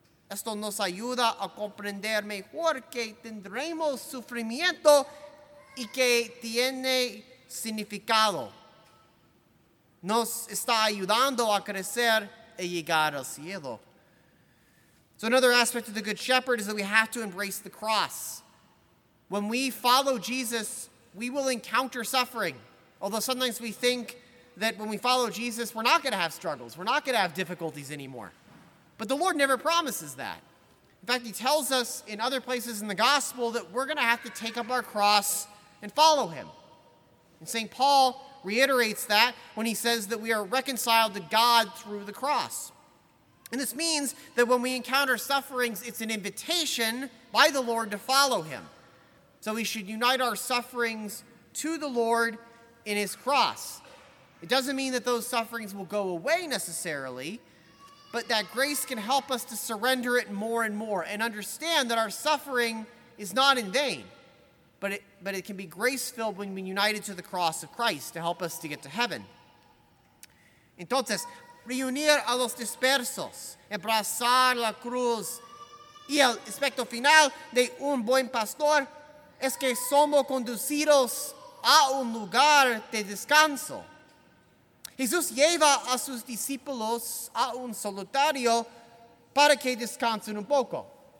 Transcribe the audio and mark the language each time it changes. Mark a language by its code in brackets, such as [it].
[es] Esto nos ayuda a comprender mejor que tendremos sufrimiento y que tiene significado. Nos está ayudando a crecer y llegar al cielo. [en] So another aspect of the Good Shepherd is that we have to embrace the cross. When we follow Jesus, we will encounter suffering. Although sometimes we think that when we follow Jesus, we're not going to have struggles. We're not going to have difficulties anymore. But the Lord never promises that. In fact, he tells us in other places in the gospel that we're going to have to take up our cross and follow him. And St. Paul reiterates that when he says that we are reconciled to God through the cross. And this means that when we encounter sufferings, it's an invitation by the Lord to follow him. So we should unite our sufferings to the Lord in his cross. It doesn't mean that those sufferings will go away necessarily, but that grace can help us to surrender it more and more and understand that our suffering is not in vain, but it can be grace-filled when we're united to the cross of Christ to help us to get to heaven. [es] Entonces, reunir a los dispersos, abrazar la cruz, y el aspecto final de un buen pastor es que somos conducidos a un lugar de descanso. Jesús lleva a sus discípulos a un solitario para que descansen un poco.